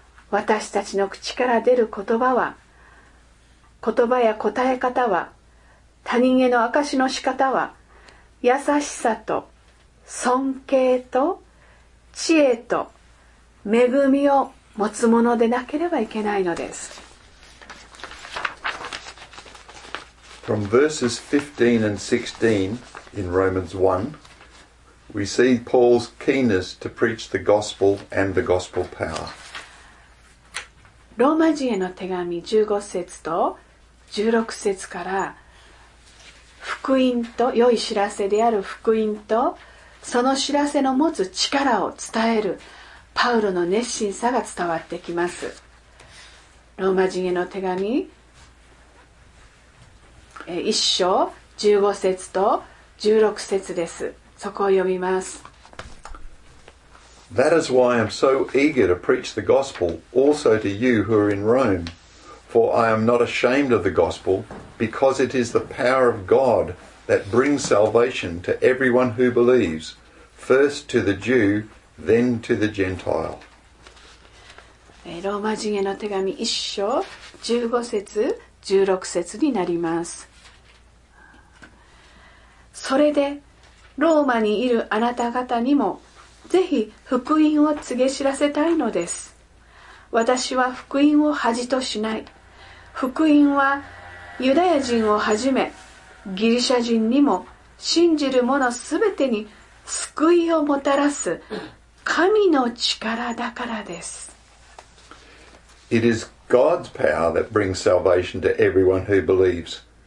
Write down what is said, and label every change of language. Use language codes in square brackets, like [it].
[ja] 私たちの口から出る言葉は、言葉や答え方は、他人への証の仕方は、優しさと尊敬と知恵と恵みを持つものでなければいけないのです。 [en] From verses 15 and 16 in Romans 1, we see Paul's keenness to preach the gospel and the gospel power. [ja] ローマ人への手紙15節と16節から、福音と、良い知らせである福音とその知らせの持つ力を伝えるパウロの熱心さが伝わってきます。ローマ人への手紙1章15節と16節です。そこを読みます。 [en] That is why I am so eager to preach the gospel also to you who are in Rome. For I am not ashamed of the gospel, because it is the power of God that brings salvation to everyone who believes, first to the Jew, then to the Gentile. [ja] ローマ人への手紙一章十五節十六節になります。それでローマにいるあなた方にも、ぜひ福音を告げ知らせたいのです。私は福音を恥としない。福音はユダヤ人をはじめギリシャ人にも、信じる者すべてに救いをもたらす神の力だからです。 [en] It is God's power that brings salvation to everyone who believes.